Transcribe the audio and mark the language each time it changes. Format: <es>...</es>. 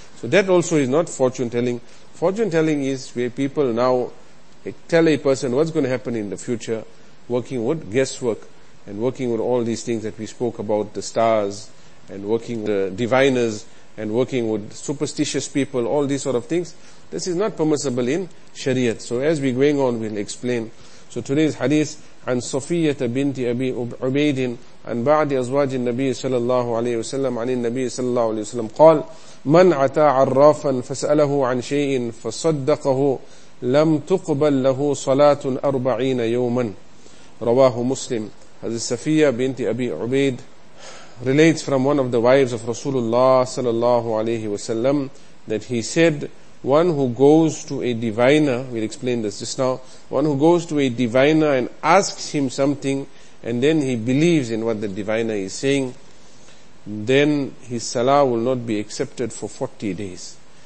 <en>So that also is not fortune telling. Fortune telling is where people now tell a person what's going to happen in the future, working with guesswork, and working with all these things that we spoke about, the stars, and working with the diviners, and working with superstitious people, all these sort of things. This is not permissible in Shariat. So as we're going on, we'll explain. So today's hadith,</en> <ar>عن صفية بنت أبي عبيد عن بعض أزواج النبي صلى الله عليه وسلم عن النبي صلى الله عليه وسلم قال من عتى عرافا فسأله عن شيء فصدقه لم تقبل له صلاة أربعين يوما رواه مسلم.</ar> <en>Hazrat Safiya bint Abi Ubaid relates from one of the wives of Rasulullah sallallahu alayhi wa sallam that he said, one who goes to a diviner, we'll explain this just now, one who goes to a diviner and asks him something, and then he believes in what the diviner is saying, then his salah will not be accepted for 40 days.</en>